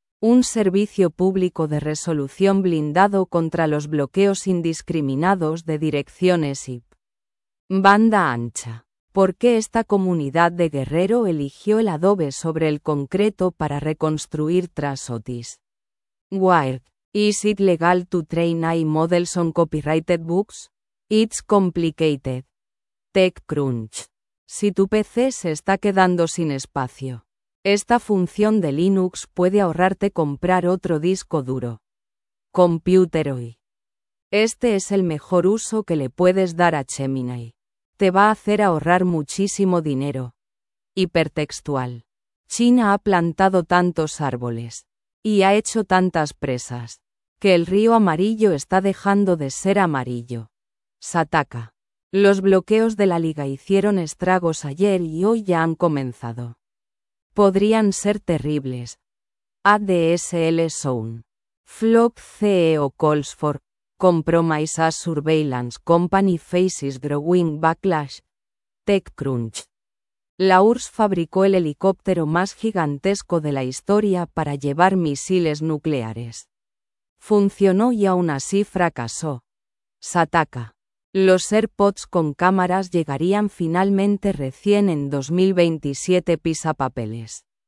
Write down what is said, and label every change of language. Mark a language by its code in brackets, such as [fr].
[es] Un servicio público de resolución blindado contra los bloqueos indiscriminados de direcciones IP. Banda ancha. ¿Por qué esta comunidad de Guerrero eligió el Adobe sobre el concreto para reconstruir tras Otis? Wired. [en] Is it legal to train AI models on copyrighted books? It's complicated. TechCrunch. [es] Si tu PC se está quedando sin espacio, esta función de Linux puede ahorrarte comprar otro disco duro. Computeroy. Este es el mejor uso que le puedes dar a Gemini. Te va a hacer ahorrar muchísimo dinero. Hipertextual. China ha plantado tantos árboles. Y ha hecho tantas presas. Que el río amarillo está dejando de ser amarillo. Sataka. Los bloqueos de la liga hicieron estragos ayer y hoy ya han comenzado. Podrían ser terribles. ADSL Zone. [en] Flock CEO calls for compromise as surveillance company faces growing backlash. TechCrunch. [es] La URSS fabricó el helicóptero más gigantesco de la historia para llevar misiles nucleares. Funcionó y aún así fracasó. Sataka. Los AirPods con cámaras llegarían finalmente recién en 2027 pisapapeles.